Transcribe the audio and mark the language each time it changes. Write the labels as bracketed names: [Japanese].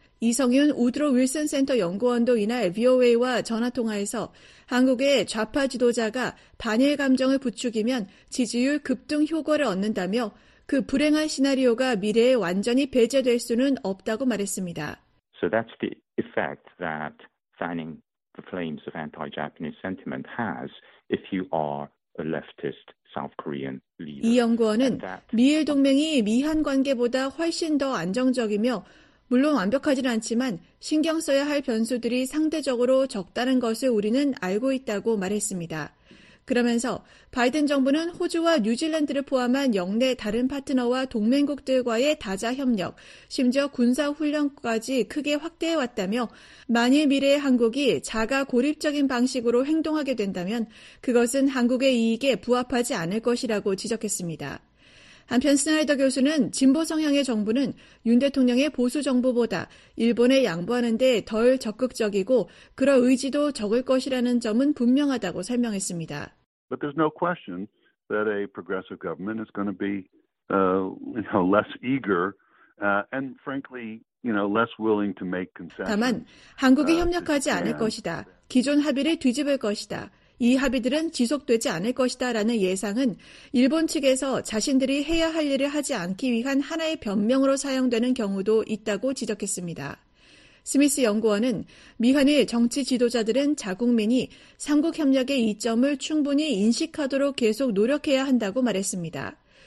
[Korean] 이성윤 우드로 윌슨 센터 연구원도 이날 VOA와 전화통화에서 한국의 좌파 지도자가 반일 감정을 부추기면 지지율 급등 효과를 얻는다며 그 불행한 시나리오가 미래에 완전히 배제될 수는 없다고 말했습니다. [English] So that's the effect that fanning the flames of anti-Japanese sentiment has if you are a leftist South Korean leader. [Korean] 이 연구원은 미일 동맹이 미한 관계보다 훨씬 더 안정적이며 물론 완벽하진 않지만 신경 써야 할 변수들이 상대적으로 적다는 것을 우리는 알고 있다고 말했습니다. 그러면서 바이든 정부는 호주와 뉴질랜드를 포함한 영내 다른 파트너와 동맹국들과의 다자 협력, 심지어 군사훈련까지 크게 확대해왔다며 만일 미래의 한국이 자가 고립적인 방식으로 행동하게 된다면 그것은 한국의 이익에 부합하지 않을 것이라고 지적했습니다. 한편 스나이더 교수는 진보 성향의 정부는 윤 대통령의 보수 정부보다 일본에 양보하는 데 덜 적극적이고 그럴 의지도 적을 것이라는 점은 분명하다고 설명했습니다. [English] But there's no question that a progressive government is going to be less eager and frankly, less willing to make concessions. [Korean] 다만 한국이 협력하지 않을 것이다. 기존 합의를 뒤집을 것이다. 이 합의들은 지속되지 않을 것이다 라는 예상은 일본 측에서 자신들이 해야 할 일을 하지 않기 위한 하나의 변명으로 사용되는 경우도 있다고 지적했습니다. 스미스 연구원은 미한일 정치 지도자들은 자국민이 3국 협력의 이점을 충분히 인식하도록 계속 노력해야 한다고 말했습니다.